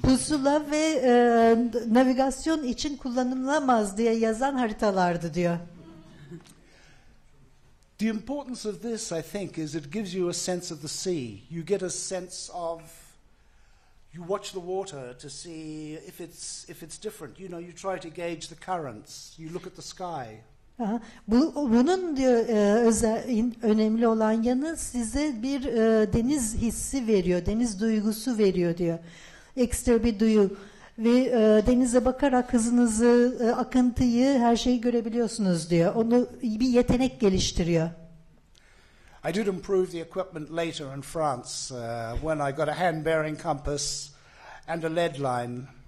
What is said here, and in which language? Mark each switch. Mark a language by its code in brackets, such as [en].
[tr] Pusula ve navigasyon için kullanılamaz diye yazan haritalardı diyor. [en] The importance of this, I think, is it gives you a sense of the sea. You get a sense of, you watch the water to see if it's different. You know, you try to gauge the currents. You look at the sky. [tr] Bunun diyor önemli olan yanı size bir deniz hissi veriyor, deniz duygusu veriyor diyor. Ekstra bir duyu ve denize bakarak hızınızı, akıntıyı, her şeyi görebiliyorsunuz diyor. Onu bir yetenek geliştiriyor. [en] I did improve the equipment later in France when I got a hand bearing compass and a lead line.